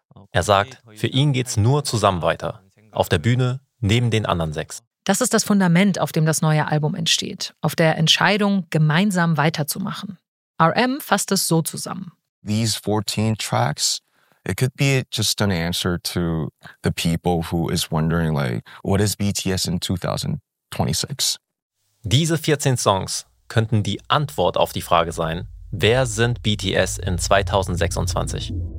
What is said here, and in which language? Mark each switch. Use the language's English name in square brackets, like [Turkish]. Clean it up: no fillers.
[German] Er sagt, für ihn geht's nur zusammen weiter. Auf der Bühne, neben den anderen 6. Das ist das Fundament, auf dem das neue Album entsteht. Auf der Entscheidung, gemeinsam weiterzumachen. RM fasst es so zusammen. [English] These 14 tracks, it could be just an answer to the people who is wondering, like, what is BTS in 2026? [German] Diese 14 Songs könnten die Antwort auf die Frage sein, wer sind BTS in 2026?